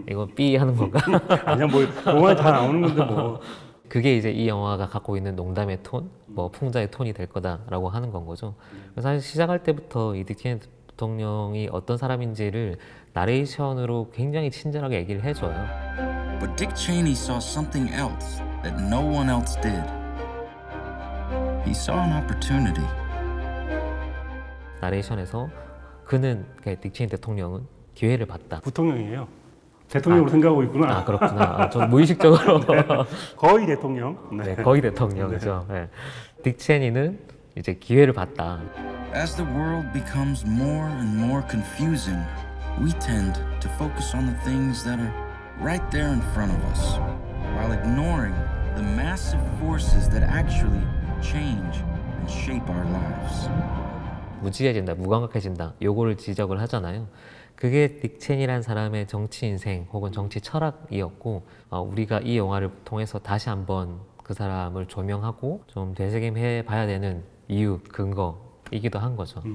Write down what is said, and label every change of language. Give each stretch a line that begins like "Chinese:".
Korean: 이거 삐 하는 건가? 아니야, 뭐 영화에 다 나오는 건데 뭐. 그게 이제 이 영화가 갖고 있는 농담의 톤, 뭐 풍자의 톤이 될 거다라고 하는 건 거죠. 그래서 사실 시작할 때부터 이 딕첸 부통령이 어떤 사람인지를 나레이션으로 굉장히 친절하게 얘기를 해줘요.
English: But Dick Cheney saw something else that no one else did. He saw an opportunity.
Korean: 나레이션에서 그는 딕 체니 대통령은 기회를 봤다. 부통령이에요. 대통령으로 생각하고 있구나. 아 그렇구나. 저 무의식적으로 네, 거의 대통령. 네, 네 거의 대통령이죠. 네. 딕 체니는 이제 기회를 봤다.
English: As the world becomes more and more confusing, we tend to focus on the things that are right there in front of us, while ignoring the massive forces that actually change and shape our lives.
Korean: 무지해진다, 무감각해진다, 요거를 지적을 하잖아요. 그게 딕 체니라는 사람의 정치 인생 혹은 정치 철학이었고, 우리가 이 영화를 통해서 다시 한번 그 사람을 조명하고 좀 되새김해 봐야 되는 이유, 근거 이기도 한 거죠.